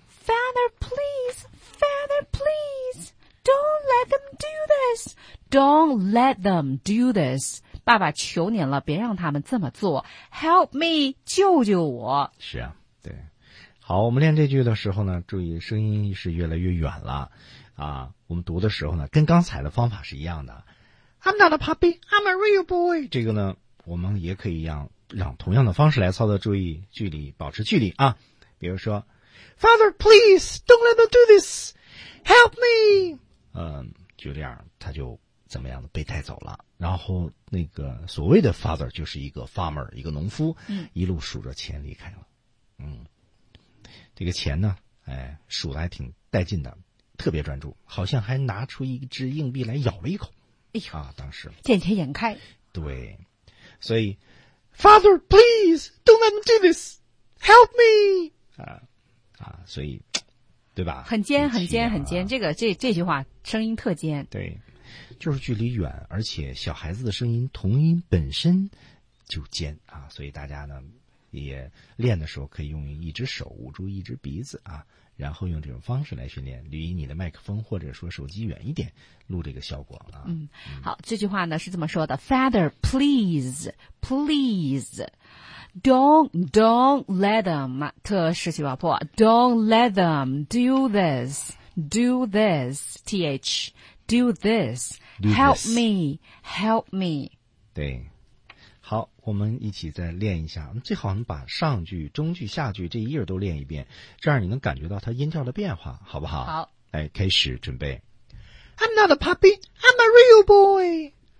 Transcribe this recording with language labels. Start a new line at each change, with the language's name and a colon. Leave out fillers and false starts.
English: Father, please, Father, please, don't let them do this. Don't let them do this.
Chinese: 爸爸求您了，别让他们这么做。
English: Help me,
Chinese: 救救我。是啊，对。好，我们练这句的时候呢，注意声音是越来越远了。啊，我们读的时候呢，跟刚才的方法是一样的。
English: I'm not a puppy, I'm a real boy.
Chinese: 这个呢，我们也可以让同样的方式来操作，注意距离，保持距离啊。比如说
English: Father, please, don't let them do this. Help me.
Chinese: 就这样他就怎么样的被带走了。然后那个所谓的 father 就是一个 farmer, 一个农夫、一路数着钱离开了。这个钱呢，数得还挺带劲的，特别专注，好像还拿出一只硬币来咬了一口。哎呦，当时见钱眼开。对，所以
English: Father, please, don't let them do this. Help me.
Chinese: 所以对吧，很尖很尖很尖，这个这句话声音特尖。对，就是距离远，而且小孩子的声音童音本身就尖啊，所以大家呢也练的时候可以用一只手捂住一只鼻子啊，然后用这种方式来训练，离你的麦克风或者说手机远一点录这个效果啊。好，这句话呢是这么说的
English: Father, please, please, don't let them,
Chinese: 特失去爆破
English: don't let them do this, do this, th, do this, help me, help me.
Chinese: 对。好，我们一起再练一下，最好能把上句、中句、下句这一页都练一遍，这样你能感觉到它音调的变化，好不好？好，来开始准备。
English: I'm not a puppy, I'm a real boy.